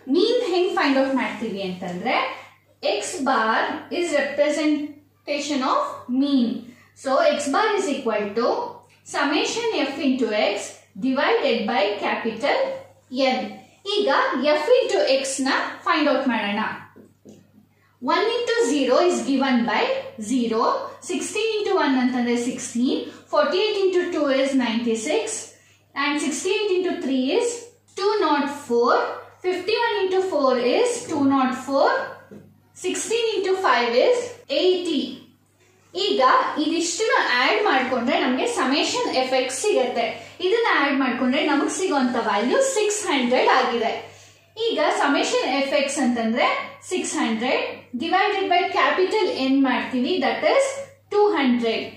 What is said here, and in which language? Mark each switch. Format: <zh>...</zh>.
<en>mean</en> <kn>ಹೆಂಗ್</kn> <en>find out</en> <kn>ಮಾಡ್ತೀವಿ ಅಂತಂದ್ರೆ</kn> <en>X bar is representation of mean. So x bar is equal to summation f into x divided by capital N.</en> <kn>ಈಗ F into X ನ find out ಮಾಡೋಣ.</kn> <en>1 into 0 is given by 0, 16 into 1 ಅಂತಂದ್ರೆ 16, 48 into 2 is 96 and 16 into 3 is 204, 51 into 4 is 204, 16 into 5 is 80.</en> <kn>ಈಗ ಇದಿಷ್ಟನ್ನ add ಮಾಡ್ಕೊಂಡ್ರೆ ನಮ್ಗೆ summation effect ಸಿಗತ್ತೆ. ಇದನ್ನ add ಮಾಡ್ಕೊಂಡ್ರೆ ನಮಗ್ ಸಿಗುವಂತ ವ್ಯಾಲ್ಯೂ 600 ಆಗಿದೆ. ಈಗ ಸಮೇಶನ್ ಎಫ್ ಎಕ್ಸ್ ಅಂತಂದ್ರೆ 600 ಡಿವೈಡೆಡ್ ಬೈ ಕ್ಯಾಪಿಟಲ್ ಎನ್ ಮಾಡ್ತೀವಿ, ದಟ್ ಇಸ್ 200.</kn>